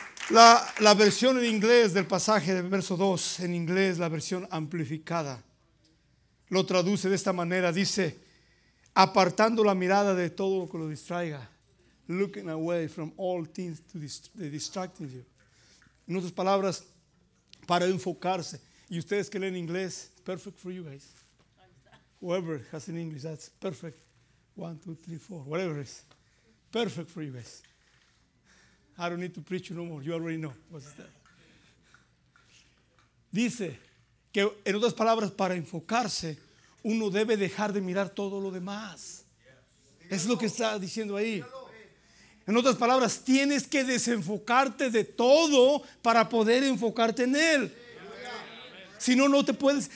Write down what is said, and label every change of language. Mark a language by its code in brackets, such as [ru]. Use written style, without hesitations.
[es] La versión en inglés del pasaje del verso 2, en inglés la versión amplificada, lo traduce de esta manera, dice: apartando la mirada de todo lo que lo distraiga. [en] Looking away from all things to distracting you. [es] En otras palabras, para enfocarse. Y ustedes que leen inglés, [en] perfect for you guys. Whoever has in English, that's perfect. 1, 2, 3, 4, whatever it is. Perfect for you guys. I don't need to preach you no more. You already know what's that. [es] Dice que en otras palabras, para enfocarse, uno debe dejar de mirar todo lo demás. Es lo que está diciendo ahí. En otras palabras, tienes que desenfocarte de todo para poder enfocarte en Él. Si no, no te puedes.